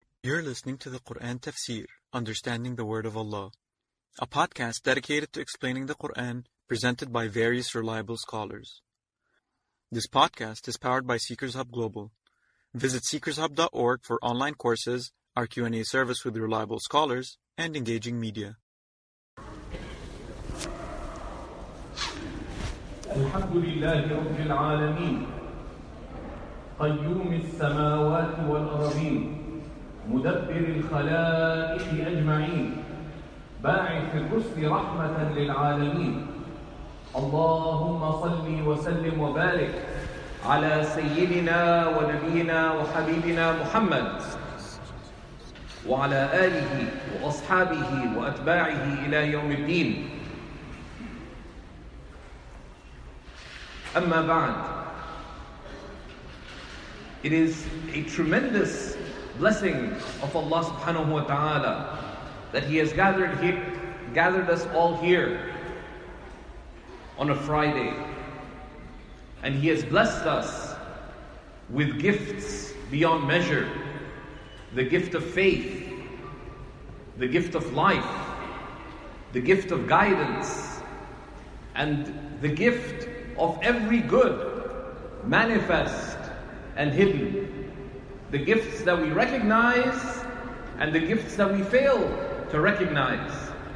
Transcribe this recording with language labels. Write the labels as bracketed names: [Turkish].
[English] You're listening to the Qur’an Tafsir, Understanding the Word of Allah, a podcast dedicated to explaining the Qur’an presented by various reliable scholars. This podcast is powered by Seekers Hub Global. Visit seekershub.org for online courses, our Q&A service with reliable scholars, and engaging media. [Arabic] الحمد لله رب العالمين قيوم السماوات والأرضين مدبر الخلائق أجمعين باعث الرسل رحمة للعالمين اللهم صل وسلم وبارك على سيدنا ونبينا وحبيبنا محمد وعلى آله وأصحابه وأتباعه إلى يوم الدين. أما بعد, [English] it is a tremendous blessing of Allah subhanahu wa ta'ala that He has gathered us all here on a Friday, and He has blessed us with gifts beyond measure: the gift of faith, the gift of life, the gift of guidance, and the gift of every good, manifest and hidden, the gifts that we recognize and the gifts that we fail to recognize.